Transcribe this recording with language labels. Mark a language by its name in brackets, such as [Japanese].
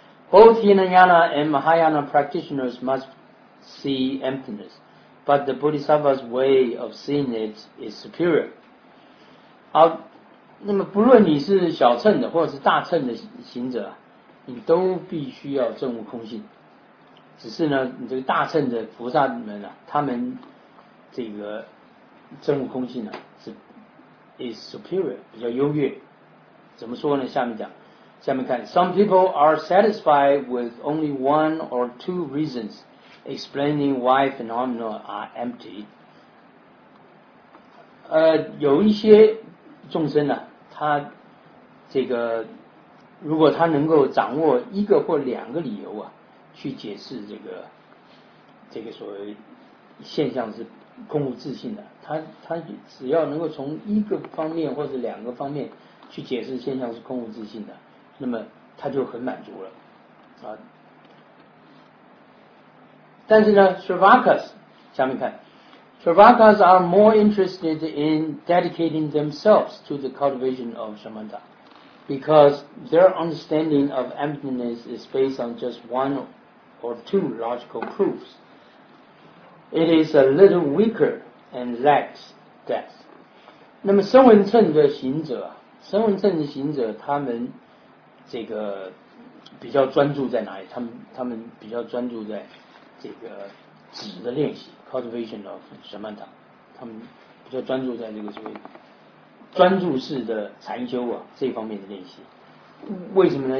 [English] Both Hinayana and Mahayana practitioners must see emptiness, but the Bodhisattva's way of seeing it is superior。 [Chinese] 好，那么不论你是小乘的或者是大乘的行者，你都必须要证悟空性。只是呢你这个大乘的菩萨们啊，他们这个证悟空性呢、啊、 [English] is superior， [Chinese] 比较优越。怎么说呢？下面看 [English] Some people are satisfied with only one or two reasons explaining why phenomena are empty。 [Chinese] 有一些众生呢、啊，他这个如果他能够掌握一个或两个理由啊，去解释这个所谓现象是空无自性的，他只要能够从一个方面或者两个方面去解释现象是空无自性的，那么他就很满足了。但是呢 [English] Srivakas, [Chinese] 下面看 [English] Srivakas are more interested in dedicating themselves to the cultivation of Samatha, because their understanding of emptiness is based on just one or two logical proofs. It is a little weaker and lacks depth. [Chinese] 那么声闻乘的行者，声闻乘的行者他们这个比较专注在哪里？他们比较专注在这个止的练习 ， [English] cultivation of samatha。 [Chinese] 他们比较专注在这个所谓专注式的禅修啊这方面的练习。为什么呢？